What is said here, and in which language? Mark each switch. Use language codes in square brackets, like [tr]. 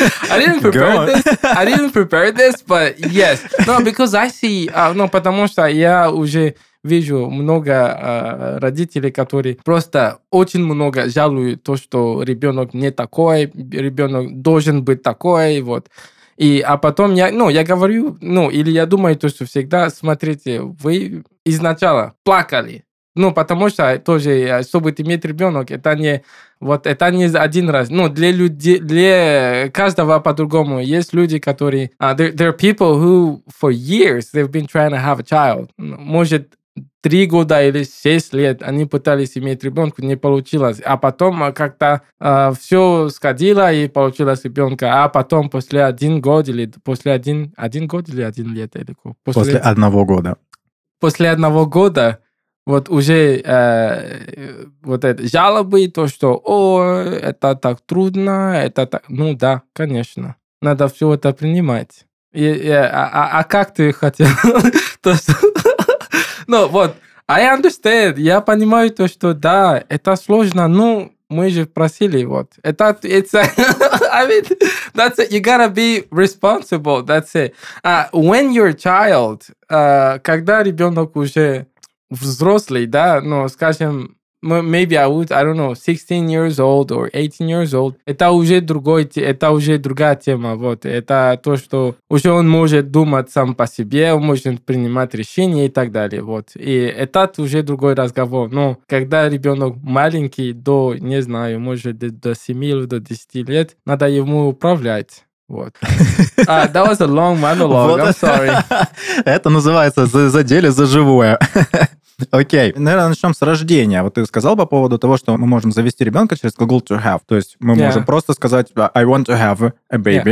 [en] I didn't prepare this, but yes. No, because I see... [ru] Ну, потому что я уже... Вижу много родителей, которые просто очень много жалуют то, что ребенок не такой, ребенок должен быть такой, вот. И, а потом я думаю, то, что всегда, смотрите, вы изначально плакали. Ну, потому что тоже, чтобы иметь ребенок, это не один раз. Ну, для людей, для каждого по-другому. Есть люди, которые... [en] there are people who for years they've been trying to have a child. [ru] Может, 3 года или 6 лет они пытались иметь ребенка, не получилось. А потом как-то все сходило и получилось ребенка. А потом после 1 год или после 1 год или 1 лет. Или после 1 года. После 1 года вот уже вот это жалобы, то, что о, это так трудно, это так. Ну да, конечно. Надо все это принимать. А как ты хотел? То, что... Ну вот, [en] I understand, [ru] я понимаю то, что да, это сложно, но мы же просили, вот. Это, [en] it's, I mean, that's it, you gotta be responsible, that's it. When you're a child, [ru] когда ребенок уже взрослый, да, ну, скажем, [en] maybe I don't know, 16 years old or 18 years old, [ru] это уже другая тема, вот. Это то, что уже он может думать сам по себе, он может принимать решения и так далее, вот. И это уже другой разговор. Но когда ребенок маленький, до, не знаю, может, до 7 или до 10 лет, надо ему управлять. Вот. [en] That was a long monologue, [ru] вот. [en] I'm sorry. [ru] Это называется «задели за живое». Окей. Наверное, начнем с рождения. Вот ты сказал по поводу того, что мы можем завести ребенка через глагол to have. То есть мы можем просто сказать [en] I want to have a baby.